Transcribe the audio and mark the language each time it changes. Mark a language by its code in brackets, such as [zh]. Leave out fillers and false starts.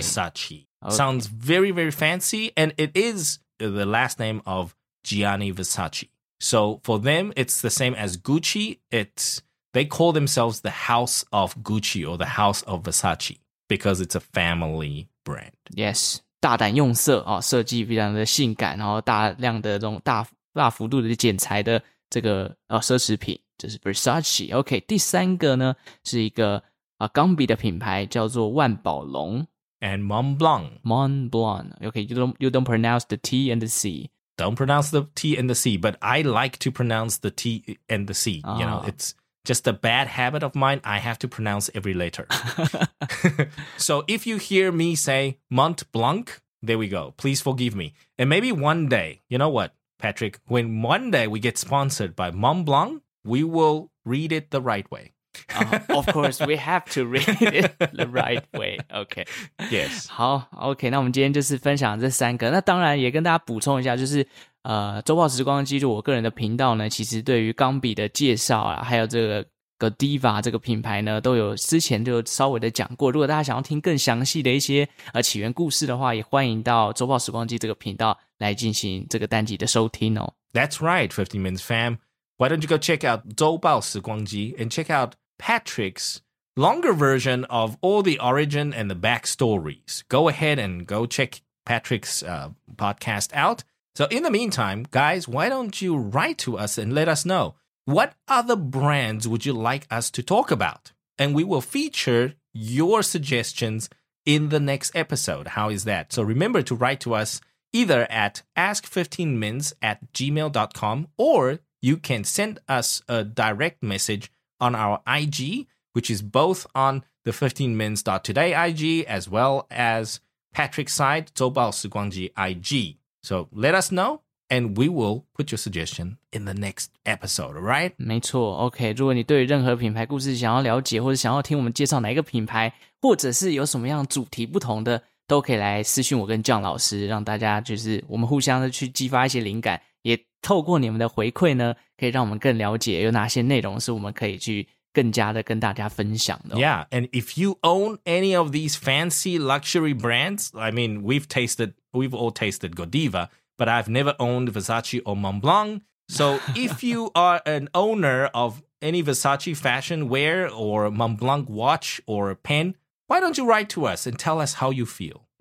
[en] Versace. Okay. Sounds very, very fancy. And it is the last name of Gianni Versace. So for them, it's the same as Gucci. They call themselves the House of Gucci or the House of Versace because it's a family brand. Yes. [zh] 大胆用色、哦、设计非常的性感，然后大量的这种 大幅度的剪裁的这个、哦、奢侈品，就是 Versace. [en] Okay. [zh] 第三个呢是一个啊，钢笔的品牌叫做万宝龙 [en] ，and Montblanc. Montblanc. Okay, you don't pronounce the T and the C. Don't pronounce the T and the C, but I like to pronounce the T and the C.、Oh. You know, it's just a bad habit of mine. I have to pronounce every letter. So if you hear me say Montblanc, there we go. Please forgive me. And maybe one day, you know what, Patrick? When one day we get sponsored by Montblanc, we will read it the right way. Of course, we have to read it the right way. Okay. Yes. [zh] 好 ,OK, 那我们今天就是分享这三个。那当然也跟大家补充一下，就是周报时光机，就我个人的频道呢，其实对于钢笔的介绍啊，还有这个 Godiva 这个品牌呢，都有之前就稍微的讲过。如果大家想要听更详细的一些起源故事的话，也欢迎到周报时光机这个频道来进行这个单集的收听哦。 [en] That's right, 15 Minutes Fam. Why don't you go check out 周报时光机 and check out Patrick's longer version of all the origin and the backstories. Go ahead and go check Patrick's podcast out. So in the meantime, guys, why don't you write to us and let us know what other brands would you like us to talk about? And we will feature your suggestions in the next episode. How is that? So remember to write to us either at ask15mins@gmail.com orYou can send us a direct message on our IG, which is both on the 15mins.today IG as well as Patrick's side, 周报时光机 IG. So let us know, and we will put your suggestion in the next episode, right? [zh] 没错 ,OK, 如果你对于任何品牌故事想要了解或者想要听我们介绍哪一个品牌或者是有什么样主题不同的都可以来私讯我跟 John 老师让大家就是我们互相的去激发一些灵感也透过你们的回馈呢可以让我们更了解有哪些内容是我们可以去更加的跟大家分享的、 [en] 哦、Yeah, and if you own any of these fancy luxury brands, I mean, we've all tasted Godiva, but I've never owned Versace or Montblanc, So if you are an owner of any Versace fashion wear or Montblanc watch or pen, why don't you write to us and tell us how you feel?